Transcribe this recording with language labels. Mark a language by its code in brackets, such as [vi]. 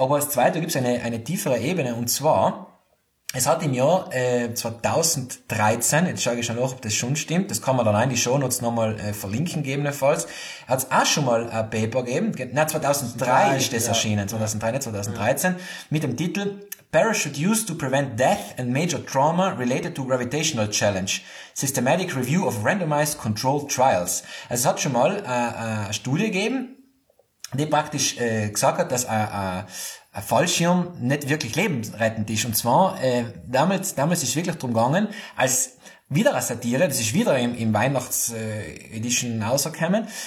[de] Aber als Zweite gibt es eine tiefere Ebene und zwar, es hat im Jahr 2013, jetzt schaue ich schon nach, ob das schon stimmt, das kann man dann in die Shownotes nochmal verlinken, gegebenenfalls, hat es auch schon mal ein Paper gegeben, nein, 2003 ist das erschienen, 2003, nicht 2013, mit dem Titel Parachute used to prevent death and major trauma related to gravitational challenge. [en] Systematic review of randomized controlled trials. [de] Es hat schon mal eine Studie gegeben, die praktisch gesagt hat, dass ein Fallschirm nicht wirklich lebensrettend ist. Und zwar, damals ist wirklich darum gegangen, als wieder eine Satire, das ist wieder im Weihnachts-Edition rausgekommen.